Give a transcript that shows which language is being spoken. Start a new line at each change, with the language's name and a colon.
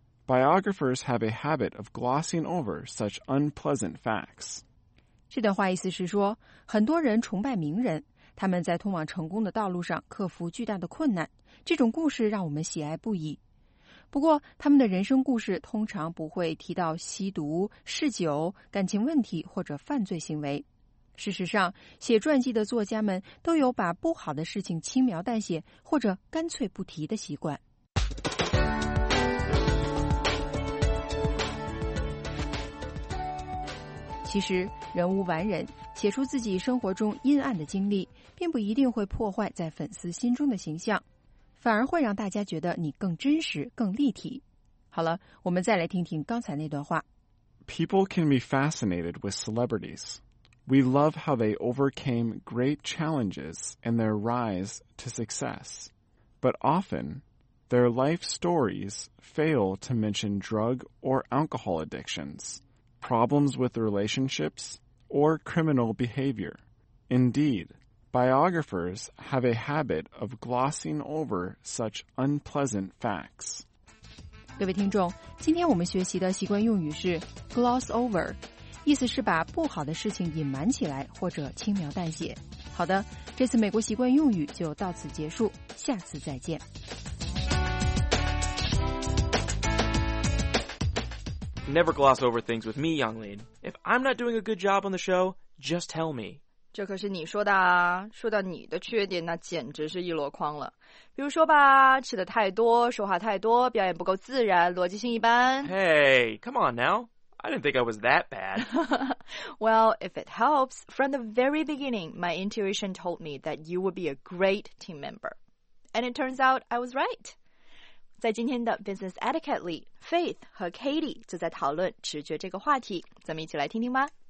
English: Biographers have a habit of glossing over such unpleasant facts.
Chinese: 这段话意思是说，很多人崇拜名人，他们在通往成功的道路上克服巨大的困难，这种故事让我们喜爱不已。不过，他们的人生故事通常不会提到吸毒、嗜酒、感情问题或者犯罪行为。事实上，写传记的作家们都有把不好的事情轻描淡写或者干脆不提的习惯。其实，人无完人，写出自己生活中阴暗的经历，并不一定会破坏在粉丝心中的形象，反而会让大家觉得你更真实、更立体。好了，我们再来听听刚才那段话。
English: People can be fascinated with celebrities. We love how they overcame great challenges in their rise to success. But often, their life stories fail to mention drug or alcohol addictions. Problems with relationships, or criminal behavior. Indeed, biographers have a habit of glossing over such unpleasant facts.
Chinese: 各位听众，今天我们学习的习惯用语是 gloss over, 意思是把不好的事情隐瞒起来或者轻描淡写。好的，这次美国习惯用语就到此结束，下次再见。
English: Never gloss over things with me, Yonglin. If I'm not doing a good job on the show, just tell me.
Chinese: 这可是你说的啊。说到你的缺点，那简直是一箩筐了。比如说吧，吃的太多，说话太多，表演不够自然，逻辑性一般。
English: Hey, come on now. I didn't think I was that bad. Well, if it helps, from the very beginning, my intuition told me that you would be a great team member. And it turns out I was right.
Chinese: 在今天的 Business Etiquette 里 ,Faith 和 Katie 就在讨论直觉这个话题。咱们一起来听听吧。